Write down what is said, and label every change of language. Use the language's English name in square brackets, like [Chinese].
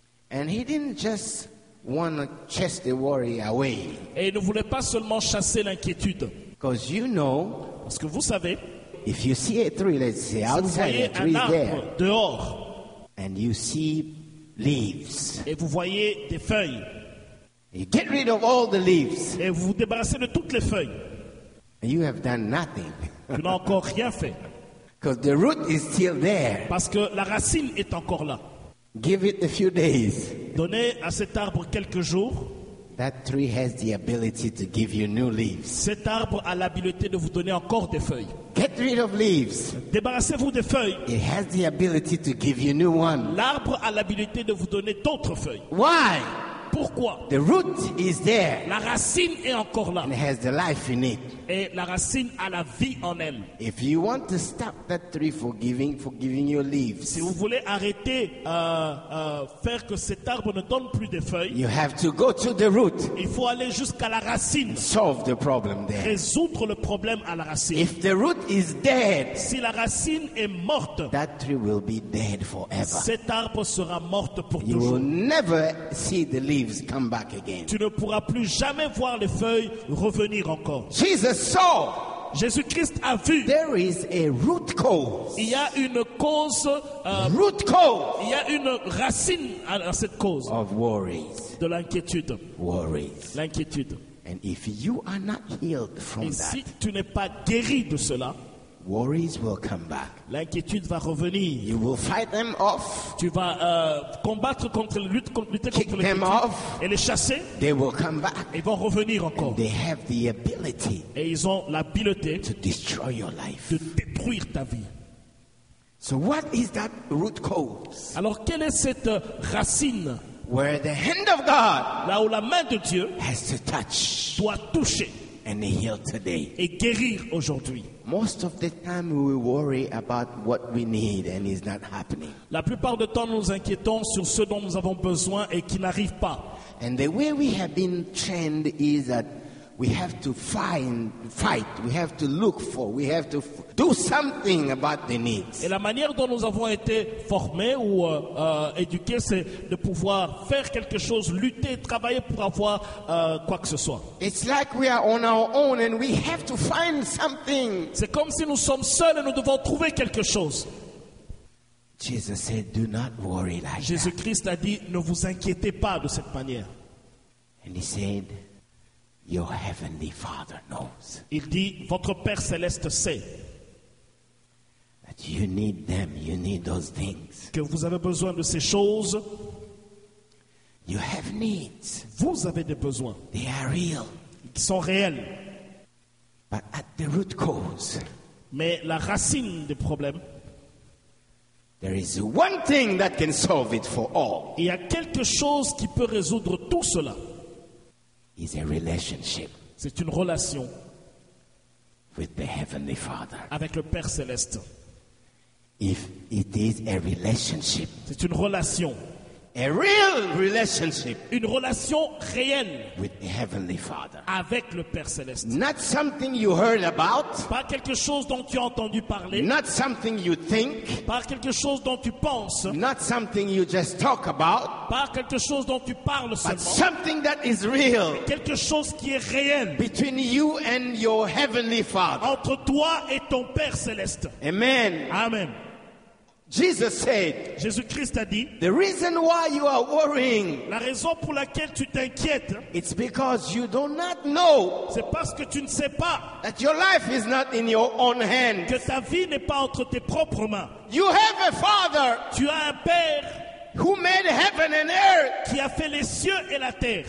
[English] And he didn't just want to chase the worry away. [French] Et il ne voulait pas seulement chasser l'inquiétude. [English] Because you know, [French] parce que vous savez, [English] if you see a tree, let's say [French] si [English] outside, [French] vous voyez [English] a tree [French] un arbre [English] there, [French] dehors, [English] and you see leaves, [French] et vous voyez des feuilles. [English] You get rid of all the leaves. [French] Et vous débarrassez de toutes les feuilles. [English] And you have done nothing. [French] Tu n'as encore rien fait. [English] Because the root is still there. [French] Parce que la racine est encore là. [English] Give it a few days. [French] Donnez à cet arbre quelques jours. [English] That tree has the ability to give you new leaves. [French] Cet arbre a l'habileté de vous donner encore des feuilles. [English] Get rid of leaves. [French] Débarrassez-vous des feuilles. [English] It has the ability to give you new one. [French] L'arbre a l'habileté de vous donner d'autres feuilles. [English] Why? [French] Pourquoi? [English] The root is there. [French] La racine est encore là. [English] And has the life in it. [French] Et la racine a la vie en elle. [English] If you want to stop that tree for giving you leaves, [French] si vous voulez arrêter faire que cet arbre ne donne plus de feuilles, [English] you have to go to the root. [French] Il faut aller jusqu'à la racine. [English] Solve the problem there. [French] Résoudre le problème à la racine. [English] If the root is dead, [French] si la racine est morte, [English] that tree will be dead forever. [French] Cet arbre sera mort pour [English] you [French] toujours. [English] You will never see the leaves come back again. [French] Tu ne pourras plus jamais voir les feuilles revenir encore. Jésus-Christ a vu. [English] There is a root cause. [French] Il y a une cause. [English] Root cause. [French] Il y a une racine à cette cause. [English] Of worries. [French] De l'inquiétude. [English] Worries. [French] L'inquiétude. [English] And if you are not healed from [French] et [English] that, [French] si tu n'es pas guéri de cela, [English] worries will come back. [French] L'inquiétude va revenir. [English] You will fight them off. [French] Tu vas combattre contre les luttes contre les [English] kick [French] contre [English] them off. [French] Et les chasser. [English] They will come back. [French] Ils vont revenir encore. [English] And they have the ability. [French] Et ils ont l'habileté [English] to destroy your life. [French] De détruire ta vie. [English] So what is that root cause? [French] Alors quelle est cette racine? [English] Where the hand of God, [French] là où la main de Dieu, [English] has to touch, [French] doit toucher, [English] and heal today, [French] et guérir aujourd'hui. [English] Most of the time we worry about what we need and it's not happening. [French] La plupart du temps nous inquiétons sur ce dont nous avons besoin et qui n'arrive pas. [English] And the way we have been trained is that we have to fight, we have to look for, we have to do something about the needs. [French] Et la manière dont nous avons été formés ou éduqués, c'est de pouvoir faire quelque chose, lutter, travailler pour avoir quoi que ce soit. [English] It's like we are on our own and we have to find something. [French] C'est comme si nous sommes seuls et nous devons trouver quelque chose. [English] Jesus said, "Do not worry like that." [French] Jésus-Christ a dit, ne vous inquiétez pas de cette manière. [English] And he said, "Your heavenly Father knows." [French] Il dit, votre Père céleste sait. [English] That you need them, you need those things. [French] Que vous avez besoin de ces choses. [English] You have needs. [French] Vous avez des besoins. [English] They are real. [French] Ils sont réels. [English] But at the root cause. [French] Mais la racine des problèmes. [English] There is one thing that can solve it for all. [French] Il y a quelque chose qui peut résoudre tout cela. [English] Is a relationship. [French] C'est une relation. [English] With the heavenly Father. [French] Avec le Père céleste. [English] If it is a relationship. [French] C'est une relation. [English] A real relationship. [French] Une relation réelle. [English] With the heavenly Father. [French] Avec le Père céleste. [English] Not something you heard about. [French] Pas quelque chose dont tu as entendu parler. [English] Not something you think. [French] Pas quelque chose dont tu penses. [English] Not something you just talk about. [French] Pas quelque chose dont tu parles seulement. [English] But something that is real. [French] Quelque chose qui est réel. [English] Between you and your heavenly Father. [French] Entre toi et ton Père céleste. [English] Amen. [French] Amen. [English] Jesus said, [French] Jésus-Christ a dit, [English] the reason why you are worrying, [French] la raison pour laquelle tu t'inquiètes, [English] it's because you do not know, [French] c'est parce que tu ne sais pas, [English] that your life is not in your own hands, [French] que ta vie n'est pas entre tes propres mains. [English] You have a father, [French] tu as un père, [English] who made heaven and earth, [French] qui a fait les cieux et la terre.